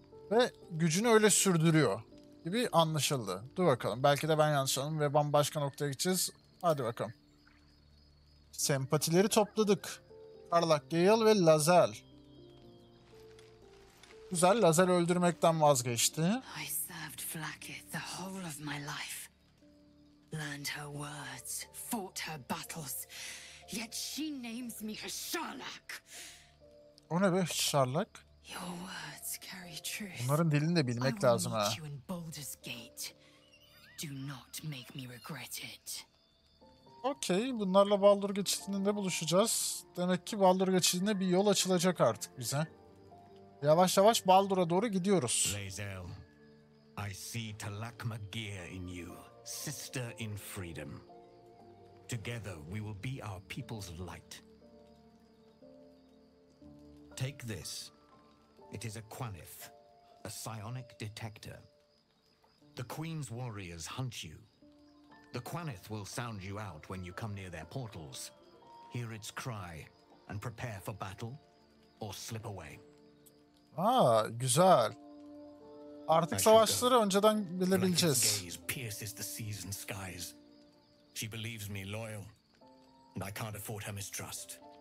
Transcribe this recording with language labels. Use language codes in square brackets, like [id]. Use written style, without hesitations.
[tr] Ve gücünü öyle sürdürüyor gibi anlaşıldı. Dur bakalım. Belki de ben yanlış anladım ve bambaşka noktaya gideceğiz. Hadi bakalım. Sempatileri topladık. Karlak, Gale ve Lazel. Güzel, Lazel öldürmekten vazgeçti. [en] I served Vlakith the whole of my life. Learned her words, fought her battles. Yet she names me her Sharlak. [tr] O ne be Sharlak? [en] Your words carry truth. [tr] Bunların dilini de bilmek lazım ha. [en] I will meet you in Baldur's Gate. Do not make me regret it. [tr] Okey, bunlarla Baldur geçidinde buluşacağız. Demek ki Baldur geçidinde bir yol açılacak artık bize. Yavaş yavaş Baldur'a doğru gidiyoruz. [en] Lazel, I see Talakma Gear in you, sister in freedom. Together we will be our people's light. Take this. It is a Quanith, a psionic detector. The Queen's warriors hunt you. The Quanith will sound you out when you come near their portals. Hear its cry and prepare for battle or slip away. [tr] Aa, güzel. Artık savaşları önceden bilebileceğiz. [en] Her gaze pierces the seas and skies. She believes me loyal and I can't afford her mistrust.